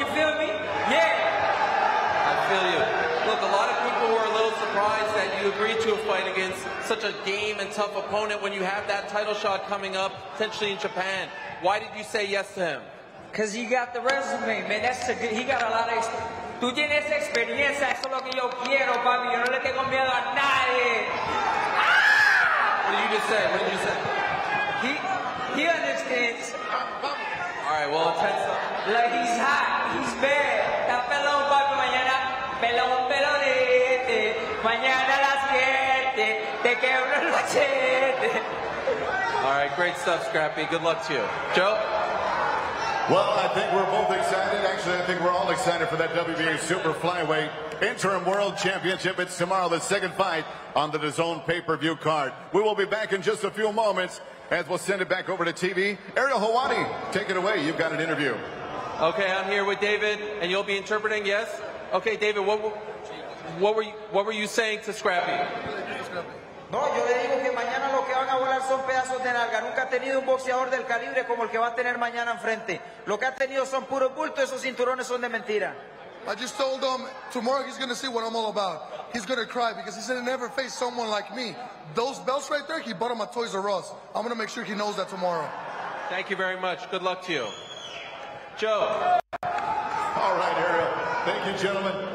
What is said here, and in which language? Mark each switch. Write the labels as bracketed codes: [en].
[en] You feel me? Yeah. I feel you. Look, a lot of people were a little surprised that you agreed to a fight against such a game and tough opponent when you have that title shot coming up, potentially in Japan. Why did you say yes to him? Because he got the resume, man. That's a good, he got a lot of experience. [es] Tú tienes experiencia, eso es lo que yo quiero, papi. Yo no le tengo miedo a nadie. [en] What did you just say? What did you say? He understands. All right, well, let's head. Like, he's hot. He's bad. [es] Está pelón, papi, mañana. Pelón, pelonete. Mañana a las siete. Te quebro el machete. [en] All right, great stuff, Scrappy. Good luck to you. Joe? Well, I think we're both excited. Actually, I think we're all excited for that WBA Super Flyweight Interim World Championship. It's tomorrow, the second fight on the DAZN pay-per-view card. We will be back in just a few moments as we'll send it back over to TV. Ariel Helwani, take it away. You've got an interview. Okay, I'm here with David, and you'll be interpreting, yes? Okay, David, what were you saying to Scrappy? [es] No, yo le digo que mañana lo que van a volar son pedazos de nalga. Nunca ha tenido un boxeador del calibre como el que va a tener mañana enfrente. Lo que ha tenido son puro bulto, esos cinturones son de mentira. [en] I just told him, tomorrow he's going to see what I'm all about. He's going to cry because he's going to never face someone like me. Those belts right there, he bought them at Toys R Us. I'm going to make sure he knows that tomorrow. Thank you very much. Good luck to you. Joe. All right, Ariel. Thank you, gentlemen.